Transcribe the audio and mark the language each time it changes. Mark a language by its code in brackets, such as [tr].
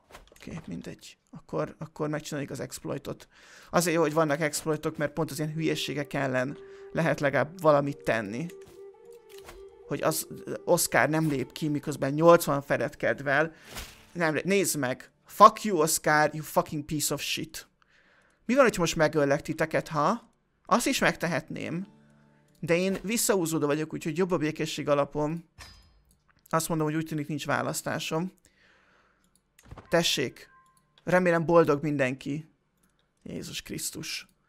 [hu] Oké, mindegy. Akkor megcsináljuk az exploitot. Azért jó, hogy vannak exploitok, mert pont az ilyen hülyeségek ellen lehet legalább valamit tenni. Hogy az Oscar nem lép ki, miközben 80 felett kedvel. Nem, nézd meg! [en] Fuck you, Oscar, you fucking piece of shit. [hu] Mi van, hogy most megöllek titeket, ha? Azt is megtehetném. De én visszahúzódó vagyok, úgyhogy jobb a békesség alapom. Azt mondom, hogy úgy tűnik nincs választásom. Tessék! Remélem boldog mindenki. Jézus Krisztus.